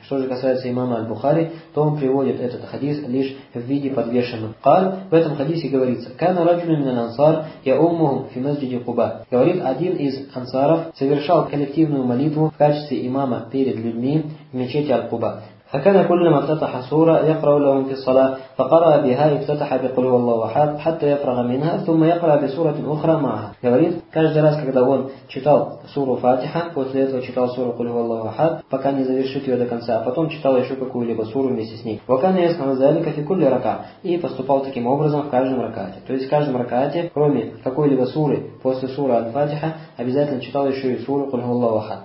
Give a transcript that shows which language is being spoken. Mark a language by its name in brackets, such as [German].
[Russian] Что же касается имама аль-Бухари, то он приводит этот хадис лишь в виде подвешенного. Кал, в этом хадисе говорится: [Arabic] кана раджулу мин ан-Ансар яуммухум фи масджиди Куба. [Russian] Говорит, один из ансаров совершал коллективную молитву в качестве имама перед людьми в мечети аль-Куба. [Arabic] فكان كلما افتتح سورة يقرأ لهم في الصلاة فقرأ بها افتتح بقول الله أحد حتى يفرغ منها ثم يقرأ بسورة أخرى معها. [Russian] Говорит, каждый раз, когда он читал суру Фатиха, после этого читал суру قول الله أحد, пока не завершит ее до конца, а потом читал еще какую-либо суру вместе с ней. [Arabic] وكان يصنع ذلك في كل ركعة. [Russian] И поступал таким образом в каждом ракате. То есть в каждом ракате, кроме какой-либо суры после суры Аль-Фатиха, обязательно читал еще и суру قول الله أحد.